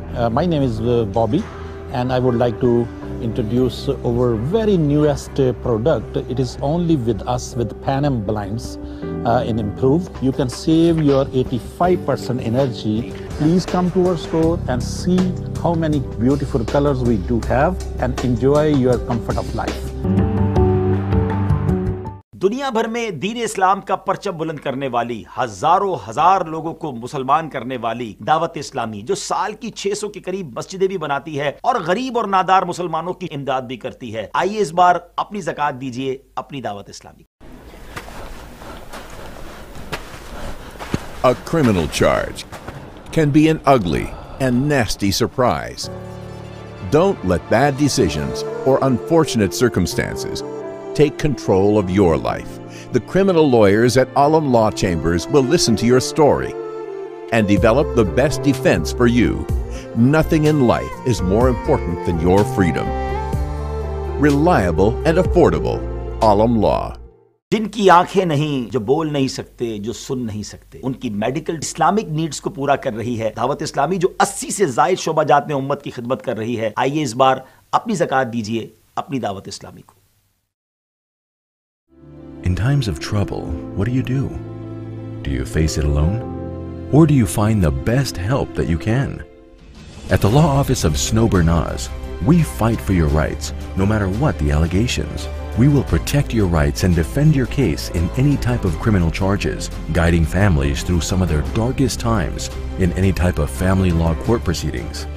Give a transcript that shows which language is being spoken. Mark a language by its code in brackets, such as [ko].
[en] My name is Bobby, and I would like to introduce our very newest product. It is only with us, with Pan Am Blinds. In improve, you can save your 85% energy. Please come to our store and see how many beautiful colors we do have and enjoy your comfort of life. [ur] دنیا بھر میں دین اسلام کا پرچم بلند کرنے والی ہزاروں ہزار لوگوں کو مسلمان کرنے والی دعوت اسلامی جو سال کی 600 کے قریب مسجدیں بھی بناتی ہے اور غریب اور نادار مسلمانوں کی امداد بھی کرتی ہے آئیے اس بار اپنی زکات دیجئے اپنی دعوت اسلامی [en] A criminal charge can be an ugly and nasty surprise. Don't let bad decisions or unfortunate circumstances take control of your life. The criminal lawyers at Alam Law Chambers will listen to your story and develop the best defense for you. Nothing in life is more important than your freedom. Reliable and affordable, Alam Law. [ur] جن کی آنکھیں نہیں جو بول نہیں سکتے جو سن نہیں سکتے ان کی میڈیکل اسلامک نیڈز کو پورا کر رہی ہے دعوت اسلامی جو 80 سے زائد شعبہ جات میں امت کی خدمت کر رہی ہے آئیے اس بار اپنی زکات دیجئے اپنی دعوت اسلامی کو [en] In times of trouble, what do? You face it alone? Or do you find the best help that you can? At the law office of Snober Nas, we fight for your rights, no matter what the allegations. We will protect your rights and defend your case in any type of criminal charges, guiding families through some of their darkest times in any type of family law court proceedings.